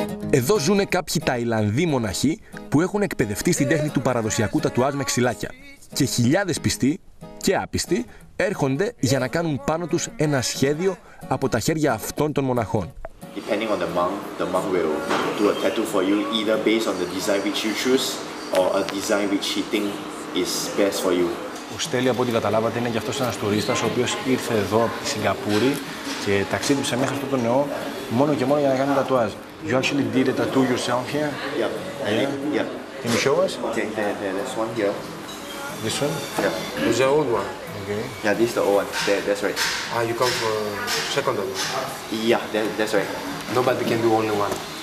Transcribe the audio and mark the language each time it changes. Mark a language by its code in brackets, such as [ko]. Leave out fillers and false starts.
[el] Εδώ ζουν κάποιοι Ταϊλανδοί μοναχοί που έχουν εκπαιδευτεί στην τέχνη του παραδοσιακού τατουάζ με ξυλάκια. Και χιλιάδες πιστοί και άπιστοι έρχονται για να κάνουν πάνω τους ένα σχέδιο από τα χέρια αυτών των μοναχών. [en] Depending on the monk will do a tattoo for you either based on the design which you choose or a design which he thinks is best for you. [el] Ο Στέλι, από ό,τι καταλάβατε, είναι και αυτός ένας τουρίστας, ο οποίος ήρθε εδώ από τη Σιγκαπούρη και ταξίδεψε μέχρι αυτό το νεό μόνο και μόνο για να κάνει τατουάζ. [en] You actually did a tattoo yourself here? Yeah. Yeah. Yeah. Yeah. Can you show us? Okay, this one here. This one? Yeah. It's the old one. Okay. Yeah, this is the old one. There, that's right. Ah, you come from second one? Yeah, that's right. Nobody can do only one.